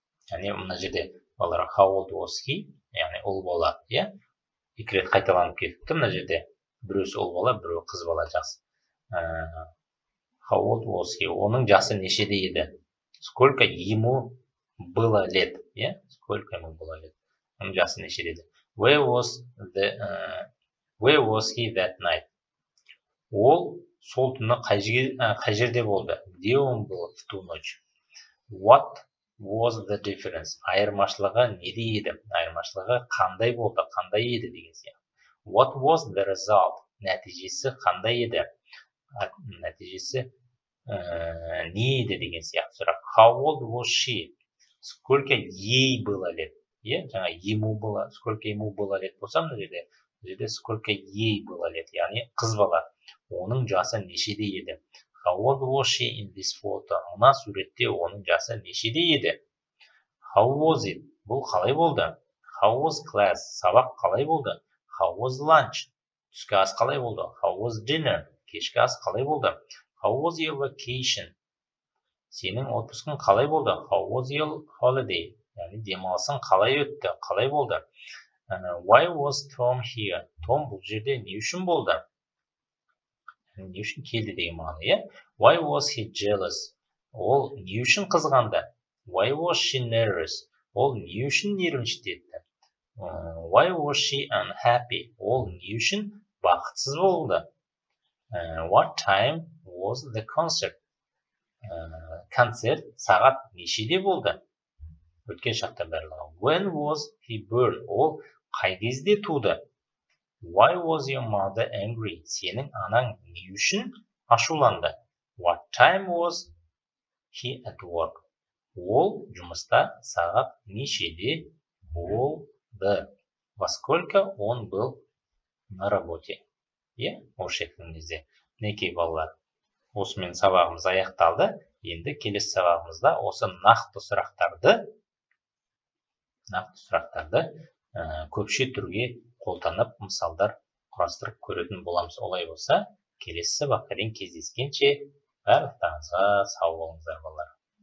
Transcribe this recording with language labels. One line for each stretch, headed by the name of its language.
Kazakh: Яғни мына жерде балалар
English: how old was he?
Kazakh: Яғни ол бала, екі рет қайталанып кетті мына жерде. Біреуі ол бала, біреуі қыз бала жасы.
English: How old was he?
Kazakh: Оның жасы нешеде еді?
Russian: Сколько ему было лет? Сколько ему было лет?
Kazakh: Оның жасы нешеде еді?
English: Where was he that night?
Kazakh: Ол сол түні қай жерде болды?
Russian: Где он был в ту ночь?
English: What was the difference?
Kazakh: Айырмашылығы неде еді? Айырмашылығы қандай болды? Қандай еді деген сияқты.
English: What was the result?
Kazakh: Нәтижесі қандай еді? Нәтижесі не еді деген сияқты сұрақ.
English: How old was she?
Russian: Сколько ей было лет? Жаңа ему было. Сколько ему было лет болсам, жерде сколько ей было лет?
Kazakh: Яғни қыз бала. Оның жасы нешеде еді?
English: How old was she in this photo?
Kazakh: Мына суретте оның жасы нешеде еді?
English: How was it?
Kazakh: Бұл қалай болды?
English: How was class?
Kazakh: Сабақ қалай болды?
English: How was lunch?
Kazakh: Түскі ас қалай болды?
English: How was dinner?
Kazakh: Кешкі ас қалай болды?
English: How was your vacation?
Kazakh: Сенің отпускың қалай болды?
English: How was your holiday?
Kazakh: Яғни демалысың қалай өтті? Қалай болды?
English: Why was Tom here?
Kazakh: Tom бұл жерде не үшін болды? Не үшін келді деген мағына, иә?
English: Why was he jealous?
Kazakh: Ол не үшін қызғанды?
English: Why was she nervous?
Kazakh: Ол не үшін нервничать етті?
English: Why was she unhappy?
Kazakh: Ол не үшін бақытсыз болды?
English: What time was the concert?
Kazakh: Концерт сағат нешеде болды? Өткен шақта барлығы.
English: When was he born?
Kazakh: Ол қай кезде туды?
English: Why was your mother angry?
Kazakh: Сенің анаң не үшін ашуланды?
English: What time was he at work?
Kazakh: Ол жұмыста сағат нешеде болды?
Russian: Во сколько он был на работе?
Kazakh: Осы шектіңізде. Мінекей балалар, осымен сабағымыз аяқталды. Енді келесі сабағымызда осы нақты сұрақтарды көпше түрге қолданып, мысалдар құрастырып көретін боламыз. Олай болса, келесі сабақтан кездескенше, барлықтарыңызға сау болыңыздар, балалар.